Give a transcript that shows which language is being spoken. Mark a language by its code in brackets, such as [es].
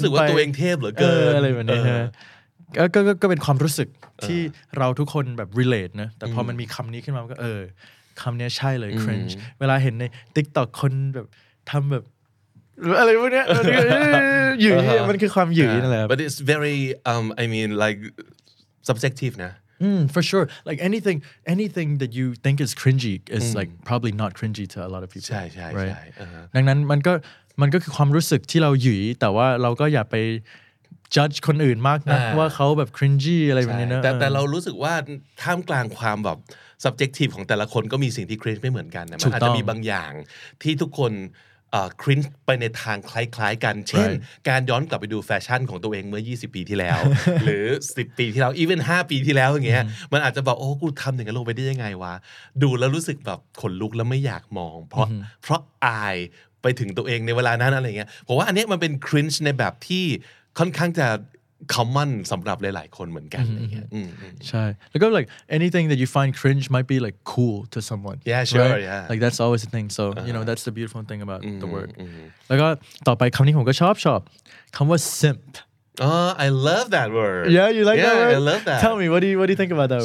[th] รู้สึกว่าตัวเองเทพเหลือเกิน อะไรแบบนี้ฮะก็เป็นความรู้สึกที่เราทุกคนแบบ relate นะแต่พอมันมีคำนี้ขึ้นมาก็เออคำนี้ใช่เลย cringe เวลาเห็นใน TikTok คนแบบทำแบบอะไรพวกเนี้ยหยื่อมันคือความหยื่อนั่นแหละ [en] but it's very I mean like subjective นะ For sure like anything that you think is cringy is like probably not cringy to a lot of people [th] ใช่ใช่ right ดังนั้นมันก็คือความรู้สึกที่เราหยื่อแต่ว่าเราก็อย่าไป judge คนอื่นมากนะว่าเขาแบบ cringy อะไรแบบนี้นะ แต่เรารู้สึกว่าท่ามกลางความแบบ subjective ของแต่ละคนก็มีสิ่งที่ cringe ไม่เหมือนกันนะมันอาจจะมีบางอย่างที่ทุกคนcringe ไปในทางคล้ายๆกันเช่นการย้อนกลับไปดูแฟชั่นของตัวเองเมื่อ20ปีที่แล้วหรือ10ปีที่แล้ว even 5ปีที่แล้วอย่างเงี้ยมันอาจจะบอกโอ้กูทำอย่างนั้นลงไปได้ยังไงวะดูแล้วรู้สึกแบบขนลุกแล้วไม่อยากมองเพราะอายไปถึงตัวเองในเวลานั้นอะไรเงี้ยผมว่าอันนี้มันเป็น cringe ในแบบที่ค่อนข้างจะ common สำหรับหลายๆคนเหมือนกัน ใช่แล้วก็ [en] like anything that you find cringe might be like cool to someone yeah sure right? yeah like that's always a thing so you know that's the beautiful thing about the word [th] แล้วก็ต่อไปคำนี้ผมก็ชอบคำว่า [en] simp oh I love that word yeah you like yeah, that word I love that tell me what do you think about that